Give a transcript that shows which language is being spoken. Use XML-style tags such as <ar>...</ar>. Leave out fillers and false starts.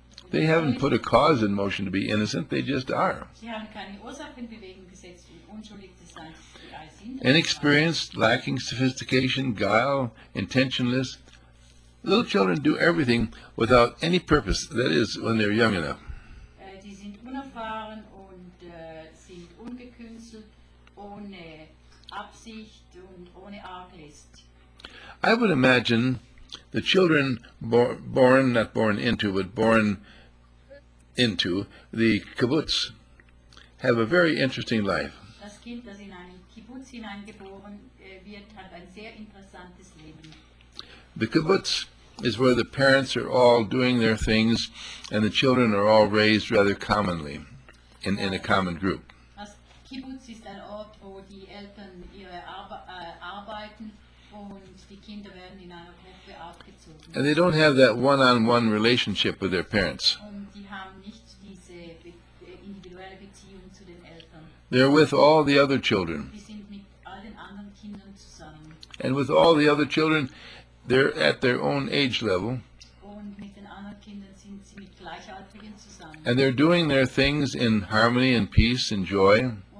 <en>they haven't put a cause in motion to be innocent, they just are.</en> <de>Sie haben keine Ursache in Bewegung gesetzt, um unschuldig zu sein.</de> <en>Inexperienced, lacking sophistication, guile, intentionless. Little children do everything without any purpose, that is, when they're young enough.</en> <de>Die sind unerfahren und sind ungekünstelt, ohne Absicht und ohne Arglist.</de> <en>I would imagine the children born into the kibbutz have a very interesting life.</en> <de>Das Kind, das in einem Kibbutz hineingeboren wird, hat ein sehr interessantes Leben.</de> <en>The kibbutz is where the parents are all doing their things and the children are all raised rather commonly in a common group.</en> <de>Das Kibbutz ist ein Ort, wo die Eltern ihre arbeiten und die Kinder werden in einer Gruppe aufgezogen.</de> <en>And they don't have that one-on-one relationship with their parents.</en> <de>Und die haben nicht diese individuelle Beziehung zu den Eltern.</de> <en>They're with all the other children.</en> <de>Die sind mit all den anderen Kindern zusammen.</de> <en>And with all the other children, they're at their own age level.</en> <de>Und mit den anderen Kindern sind sie mit Gleichaltrigen zusammen.</de> <en>And they're doing their things in harmony and peace and joy.</en>